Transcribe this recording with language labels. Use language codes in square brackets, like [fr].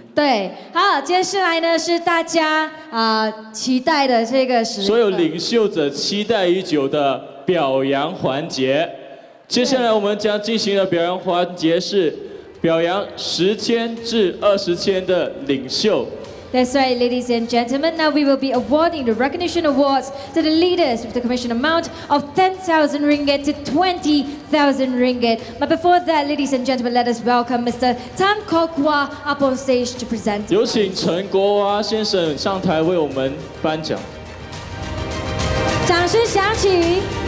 [zh] 对，好，接下来呢是大家期待的这个时刻，所有领袖者期待已久的表扬环节。接下来我们将进行的表扬环节是表扬10千至20千的领袖。 [en] That's right, ladies and gentlemen. Now we will be awarding the recognition awards to the leaders with the commission amount of 10,000 ringgit to 20,000 ringgit. But before that, ladies and gentlemen, let us welcome Mr. Tan Kok Hwa up on stage to present. [zh] 有请陈国华先生上台为我们颁奖。掌声响起。